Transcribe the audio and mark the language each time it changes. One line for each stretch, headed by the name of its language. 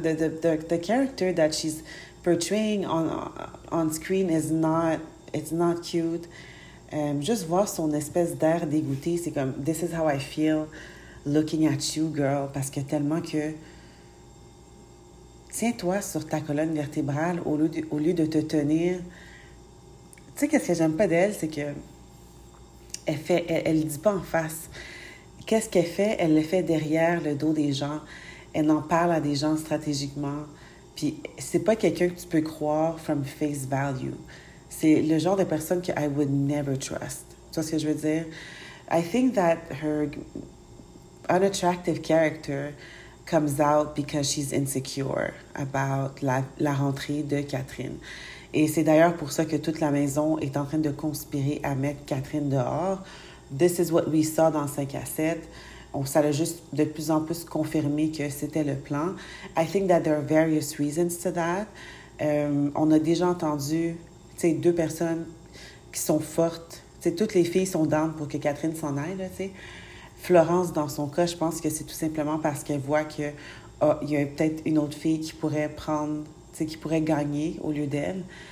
English: The character that she's portraying on screen is not... It's not cute.
French: Juste voir son espèce d'air dégoûté, c'est comme...
English: This is how I feel looking at you, girl.
French: Parce que tellement que... Tiens-toi sur ta colonne vertébrale au lieu de te tenir... Tu sais, qu'est-ce que j'aime pas d'elle, c'est que... Elle dit pas en face... Qu'est-ce qu'elle fait? Elle le fait derrière le dos des gens. Elle en parle à des gens stratégiquement. Puis, c'est pas quelqu'un que tu peux croire
English: from face value.
French: C'est le genre de personne que
English: I would never trust.
French: Tu vois ce que je veux dire?
English: I think that her unattractive character comes out because she's insecure about
French: la rentrée de Catherine. Et c'est d'ailleurs pour ça que toute la maison est en train de conspirer à mettre Catherine dehors.
English: This is what we saw
French: dans 5 à 7. Ça l'a juste de plus en plus confirmé que c'était le plan.
English: I think that there are various reasons to that.
French: On a déjà entendu, tu sais, deux personnes qui sont fortes. Tu sais, toutes les filles sont down pour que Catherine s'en aille, là, tu sais. Florence, dans son cas, je pense que c'est tout simplement parce qu'elle voit que il y a peut-être une autre fille qui pourrait prendre, tu sais, qui pourrait gagner au lieu d'elle.